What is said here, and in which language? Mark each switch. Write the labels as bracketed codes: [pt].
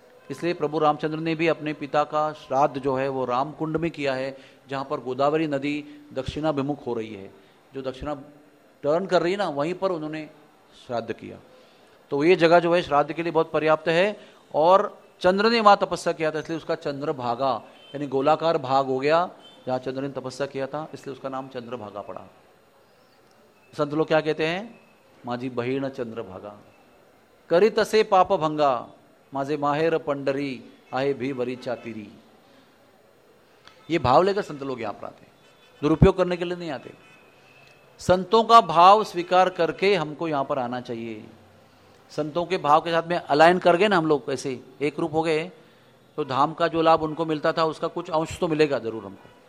[hi] इसलिए प्रभु रामचंद्र ने भी अपने पिता का श्राद्ध जो है वो राम कुंड में किया है, जहाँ पर गोदावरी नदी दक्षिणाभिमुख हो रही है, जो दक्षिणा टर्न कर रही है ना, वहीं पर उन्होंने श्राद्ध किया। तो ये जगह जो है श्राद्ध के लिए बहुत पर्याप्त है, और चंद्र ने वहाँ तपस्या किया था, इसलिए उसका चंद्रभागा यानी गोलाकार भाग हो गया, जहाँ चंद्र ने तपस्या किया था, इसलिए उसका नाम चंद्रभागा पड़ा। संत लोग क्या कहते हैं? [mr] माझी बहिण चंद्रभागा, करी तसे पाप भंगा, माझे माहेर पंडरी आहे भी वरी चातिरी। [hi] ये भाव लेकर संत लोग यहाँ पर आते हैं, दुरुपयोग करने के लिए नहीं आते। संतों का भाव स्वीकार करके हमको यहाँ पर आना चाहिए। संतों के भाव के साथ में अलाइन कर गए ना हम लोग, ऐसे एक रूप हो गए, तो धाम का जो लाभ उनको मिलता था उसका कुछ अंश तो मिलेगा जरूर हमको।